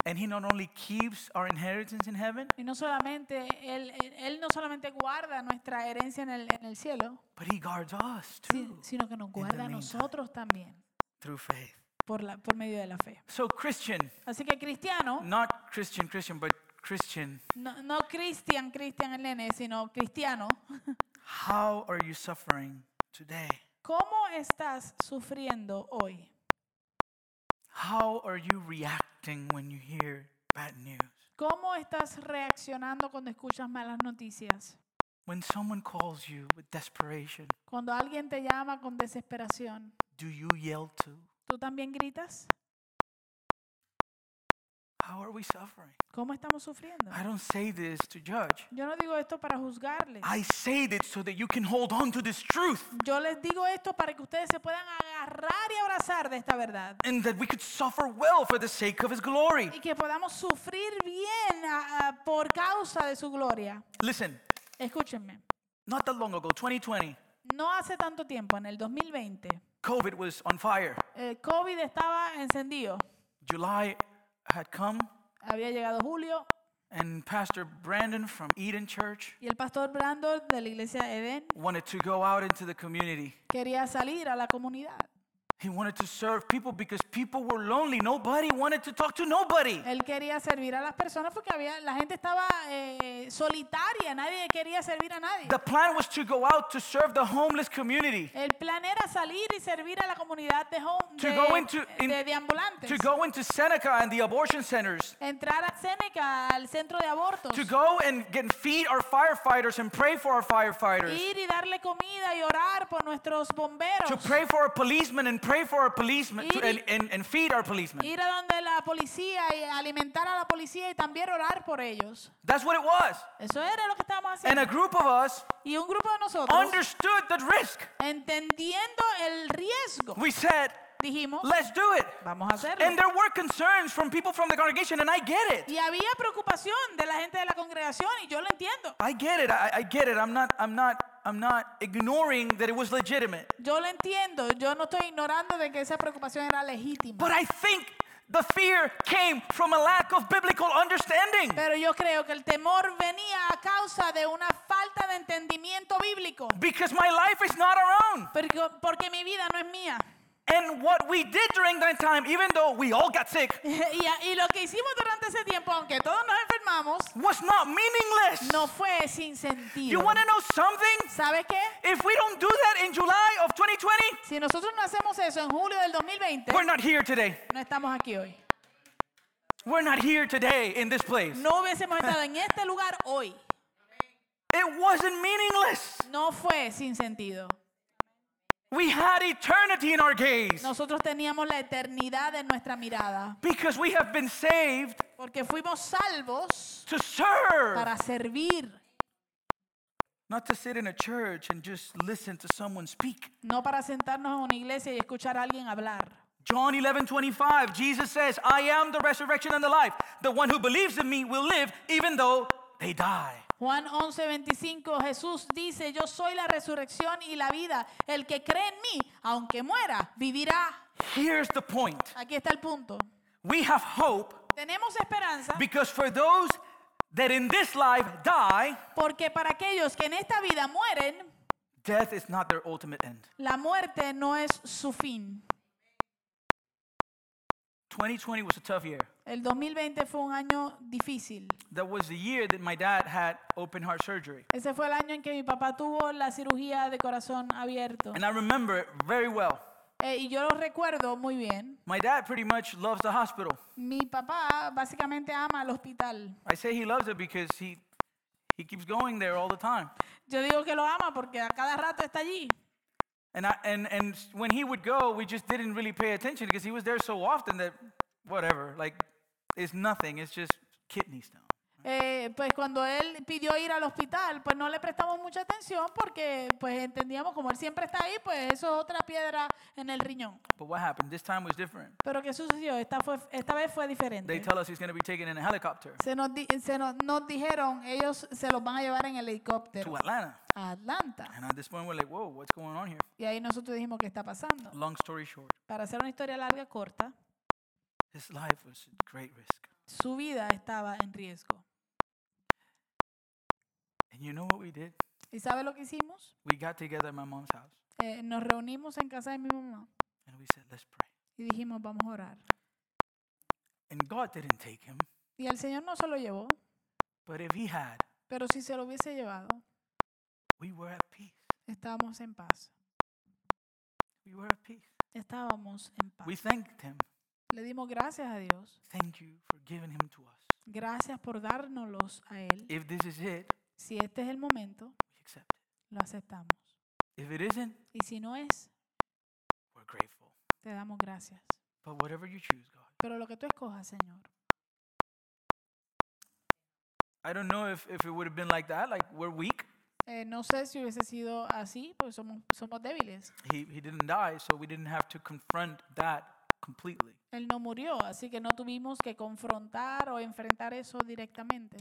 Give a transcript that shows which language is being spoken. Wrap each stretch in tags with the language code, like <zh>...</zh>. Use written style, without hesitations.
<en>And he not only keeps our inheritance in heaven.</en> <es>Y no solamente él no solamente guarda nuestra herencia en el cielo.</es> <en>But he guards us too.</en> <es>Sino que nos guarda a nosotros también.</es> <en>Through faith.</en> <es>Por medio de la fe.</es> <en>So Christian.</en> <es>Así que cristiano.</es> <en>Not Christian, but Christian.</en> <es>No Christian el nene, sino cristiano.</es> <en>How are you suffering today?</en> <es>¿Cómo estás sufriendo hoy?</es> <en>How are you reacting when you hear bad news?</en> <es>¿Cómo estás reaccionando cuando escuchas malas noticias?</es> <en>When someone calls you with desperation.</en> <es>Cuando alguien te llama con desesperación.</es> <en>Do you yell too?</en> <es>¿Tú también gritas?</es> <en>How are we suffering?</en> <es>¿Cómo estamos sufriendo?</es> <en>I don't say this to judge.</en> <es>Yo no digo esto para juzgarles.</es> <en>I say it so that you can hold on to this truth.</en> <es>Yo les digo esto para que ustedes se puedan agarrar y abrazar de esta verdad.</es> <en>And that we could suffer well for the sake of his glory.</en> <es>Y que podamos sufrir bien por causa de su gloria.</es> <en>Listen.</en> <es>Escúchenme.</es> <en>Not that long ago, 2020.</en> <es>No hace tanto tiempo, en el 2020.</es> <en>COVID was on fire.</en> <es>COVID estaba encendido.</es> <en>July had come.</en> <es>Había llegado julio.</es> <en>And Pastor Brandon from Eden Church.</en> <es>Y el pastor Brandon de la iglesia Eden.</es> <en>Wanted to go out into the community.</en> <es>Quería salir a la comunidad.</es> <en>He wanted to serve people because people were lonely. Nobody wanted to talk to nobody.</en> <es>Él quería servir a las personas porque la gente estaba solitaria. Nadie quería servir a nadie.</es> <en>The plan was to go out to serve the homeless community.</en> <es>El plan era salir y servir a la comunidad de deambulantes.</es> <en>To go into Seneca and the abortion centers.</en> <es>Entrar a Seneca, al centro de abortos.</es> <en>To go and get feed our firefighters and pray for our firefighters.</en> <es>Ir y darle comida y orar por nuestros bomberos.</es> <en>To pray for our policemen and pray for our policemen and feed our policemen.</en> <es>Ir a donde la policía y alimentar a la policía y también orar por ellos.</es> <en>That's what it was.</en> <es>Eso era lo que estábamos haciendo.</es> <en>And a group of us.</en> <es>Y un grupo de nosotros.</es> <en>Understood the risk.</en> <es>Entendiendo el riesgo.</es> <en>We said.</en> <es>Dijimos.</es> <en>Let's do it.</en> <es>Vamos a hacerlo.</es> <en>And there were concerns from people from the congregation, and I get it.</en> <es>Y había preocupación de la gente de la congregación y yo lo entiendo.</es> <en>I get it. I get it. I'm not ignoring that it was legitimate.</en> <es>Yo lo entiendo. Yo no estoy ignorando de que esa preocupación era legítima.</es> <en>But I think the fear came from a lack of biblical understanding.</en> <es>Pero yo creo que el temor venía a causa de una falta de entendimiento bíblico.</es> <en>Because my life is not our own.</en> <es>Porque mi vida no es mía.</es> <en>And what we did during that time, even though we all got sick,</en> <es>y lo que hicimos durante ese tiempo, aunque todos nos enfermamos,</es> <en>was not meaningless.</en> <es>No fue sin sentido.</es> <en>You want to know something?</en> <es>¿Sabes qué?</es> <en>If we don't do that in July of 2020,</en> <es>si nosotros no hacemos eso en julio del 2020,</es> <en>we're not here today.</en> <es>No estamos aquí hoy.</es> <en>We're not here today in this place.</en> <es>No hubiésemos estado en este lugar hoy.</es> <en>It wasn't meaningless.</en> <es>No fue sin sentido.</es> <en>We had eternity in our gaze.</en> <es>Nosotros teníamos la eternidad en nuestra mirada.</es> <en>Because we have been saved.</en> <es>Porque fuimos salvos.</es> <en>To serve.</en> <es>Para servir.</es> <en>Not to sit in a church and just listen to someone speak.</en> <es>No para sentarnos en una iglesia y escuchar a alguien hablar.</es> <en>John 11:25, Jesus says, "I am the resurrection and the life. The one who believes in me will live even though they die."</en> <es>Juan 11:25, Jesús dice, yo soy la resurrección y la vida. El que cree en mí, aunque muera, vivirá.</es> <en>Here's the point.</en> <es>Aquí está el punto.</es> <en>We have hope.</en> <es>Tenemos esperanza.</es> <en>Because for those that in this life die.</en> <es>Porque para aquellos que en esta vida mueren.</es> <en>Death is not their ultimate end.</en> <es>La muerte no es su fin.</es> <en>2020 was a tough year.</en> <es>El 2020 fue un año difícil.</es> <en>That was the year that my dad had open heart surgery.</en> <es>Ese fue el año en que mi papá tuvo la cirugía de corazón abierto.</es> <en>And I remember it very well.</en> <es>Y yo lo recuerdo muy bien.</es> <en>My dad pretty much loves the hospital.</en> <es>Mi papá básicamente ama el hospital.</es> <en>I say he loves it because he keeps going there all the time.</en> <es>Yo digo que lo ama porque a cada rato está allí.</es> <en>And when he would go, we just didn't really pay attention because he was there so often that whatever, like it's nothing. It's just kidney stone.</en> <es>Pues cuando él pidió ir al hospital, pues no le prestamos mucha atención porque pues entendíamos como él siempre está ahí, pues eso es otra piedra en el riñón.</es> <en>But what happened? This time was different.</en> <es>Pero qué sucedió? Esta vez fue diferente.</es> <en>They tell us he's going to be taken in a helicopter.</en> <es>Se nos dijeron ellos se los van a llevar en helicóptero.</es> <en>To Atlanta.</en> <es>Atlanta.</es> <en>And at this point we're like, whoa, what's going on here?</en> <es>Y ahí nosotros dijimos qué está pasando.</es> <en>Long story short.</en> <es>Para hacer una historia larga corta.</es> <en>His life was at great risk.</en> <es>Su vida estaba en riesgo.</es> <en>And you know what we did?</en> <es>¿Y sabe lo que hicimos?</es> <en>We got together at my mom's house.</en> <es>Nos reunimos en casa de mi mamá.</es> <en>And we said, let's pray.</en> <es>Y dijimos, vamos a orar.</es> <en>And God didn't take him.</en> <es>Y el Señor no se lo llevó.</es> <en>But if he had,</en> <es>pero si se lo hubiese llevado,</es> <en>we were at peace.</en> <es>Estábamos en paz.</es> <en>We were at peace.</en> <es>Estábamos en paz.</es> <en>We thanked him.</en> <es>Le dimos gracias a Dios.</es> <en>Thank you for giving him to us.</en> <es>Gracias por dárnoslos a él.</es> <en>If this is it,</en> <es>si este es el momento,</es> <en>we accept it.</en> <es>Lo aceptamos.</es> <en>If it isn't,</en> <es>y si no es,</es> <en>we're grateful.</en> <es>Te damos gracias.</es> <en>But whatever you choose, God.</en> <es>Pero lo que tú escojas, Señor.</es> <en>I don't know if it would have been like that, like we're weak.</en> <es>No sé si hubiese sido así, pues somos débiles.</es> <en>He didn't die, so we didn't have to confront that completely.</en> <es>Él no murió, así que no tuvimos que confrontar o enfrentar eso directamente.</es>